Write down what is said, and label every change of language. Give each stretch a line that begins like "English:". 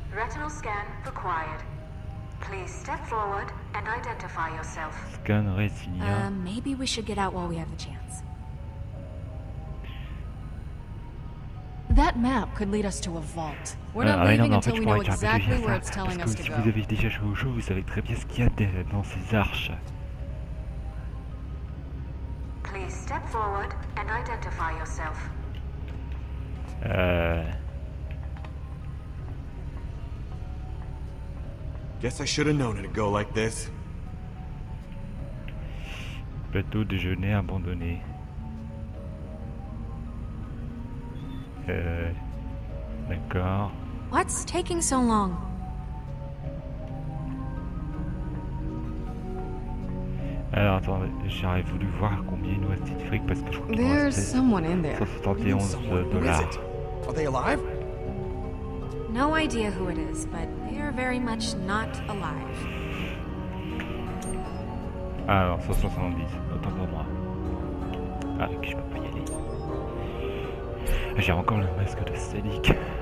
English: Retinal scan required. Please step forward and identify yourself. Scan retinia. Maybe we should get out while we have the chance. That map could lead us to a vault. We're not leaving until we know exactly where it's telling us to go.
French: Si vous avez déjà joué au jeu, vous savez très bien ce qu'il y a dans ces arches.
English: Please step forward and identify yourself. Guess I should have known it'd go like this.
French: Plateau déjeuner abandonné. D'accord.
English: What's taking so long?
French: Alors attendez, j'aurais voulu voir combien il nous restait de fric parce que je crois qu'il
English: There's someone in there. $171. Are they alive? No idea who it is, but they are very much not alive.
French: Alors, 170, autant pour moi. Ah, ok, je peux pas y aller. J'ai encore le masque de Selic.